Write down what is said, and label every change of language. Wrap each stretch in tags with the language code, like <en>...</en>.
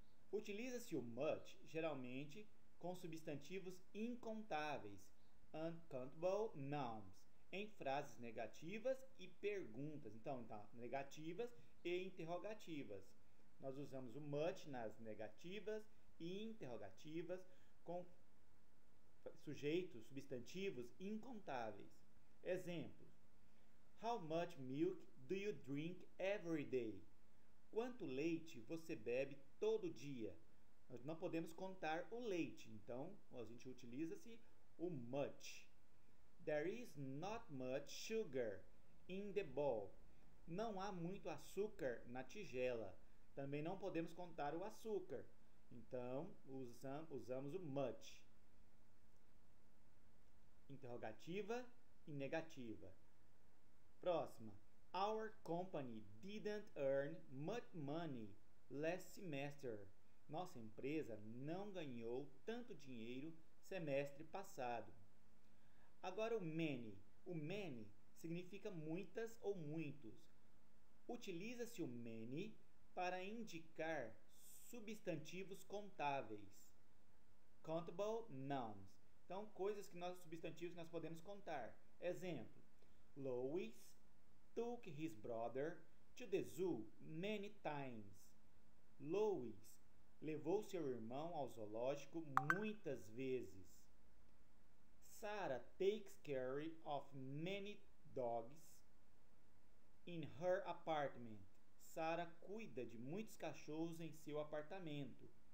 <pt>Utiliza-se o much geralmente com substantivos incontáveis,</pt> <en>uncountable nouns,</en> <pt>em frases negativas e perguntas. Então, negativas e interrogativas. Nós usamos o much nas negativas e interrogativas com sujeitos, substantivos incontáveis. Exemplos.</pt> <en>How much milk do you drink every day?</en> <pt>Quanto leite você bebe todo dia? Nós não podemos contar o leite, então a gente utiliza-se o much.</pt> <en>There is not much sugar in the bowl.</en> <pt>Não há muito açúcar na tigela. Também não podemos contar o açúcar. Então usamos o much. Interrogativa e negativa. Próxima.</pt> <en>Our company didn't earn much money last semester.</en> <pt>Nossa empresa não ganhou tanto dinheiro semestre passado. Agora o many. O many significa muitas ou muitos. Utiliza-se o many para indicar substantivos contáveis.</pt> <en>Countable nouns.</en> <pt>Então, coisas que nós, substantivos que nós podemos contar. Exemplo.</pt> <en>Louis took his brother to the zoo many times.</en> <pt>Louis levou seu irmão ao zoológico muitas vezes.</pt> <en>Sarah takes care of many dogs in her apartment.</en> <pt>Sarah cuida de muitos cachorros em seu apartamento.</pt>